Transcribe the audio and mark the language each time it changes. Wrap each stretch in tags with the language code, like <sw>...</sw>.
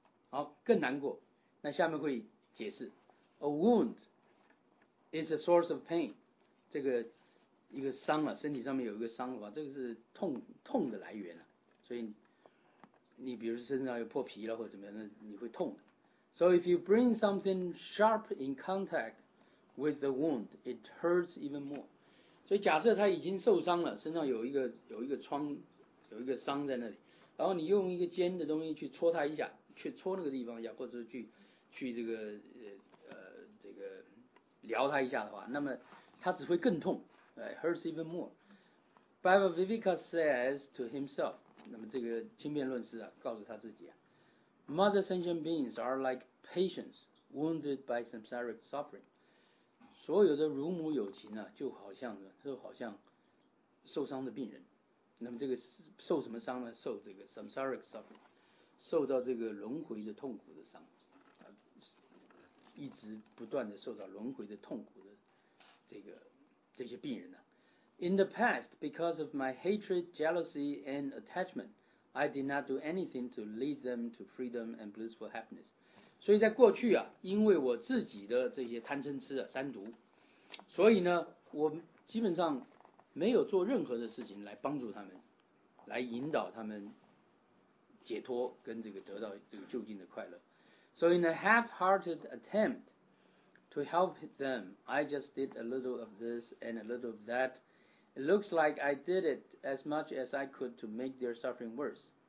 <zh>好，更难过。那下面会解释</zh> <en>A wound is a source of pain，</en> <zh>这个一个伤啊，身体上面有一个伤的话，这个是痛的来源啊。所以你比如身上有破皮了或者怎么样，那你会痛的。</zh> <en>So if you bring something sharp in contact with the wound, it hurts even more.</en> <zh>所以假设他已经受伤了，身上有一个疮，有一个伤在那里，然后你用一个尖的东西去戳他一下，去戳那个地方一下，或者去这个这个撩他一下的话，那么他只会更痛。</zh> <en>Right? Hurts even more. Baba Vivika says to himself.</en> <zh>那么这个轻辩论师啊，告诉他自己啊 ，</zh> <en>Mother sentient beings are like patients wounded by samsaric suffering。</en> <zh>所有的乳母友情啊，就好像受伤的病人。那么这个受什么伤呢？受这个</zh> <en>samsaric suffering，</en> <zh>受到这个轮回的痛苦的伤，一直不断的受到轮回的痛苦的这些病人呢、啊。</zh> <en>In the past, because of my hatred, jealousy, and attachment, I did not do anything to lead them to freedom and blissful happiness.</en> <zh>所以在过去啊，因为我自己的这些贪嗔痴啊、三毒，所以呢，我基本上没有做任何的事情来帮助他们，来引导他们解脱跟这个得到这个究竟的快乐。</zh> <en>So in a half-hearted attempt to help them, I just did a little of this and a little of that. It looks like I did it as much as I could to make their suffering worse.</en>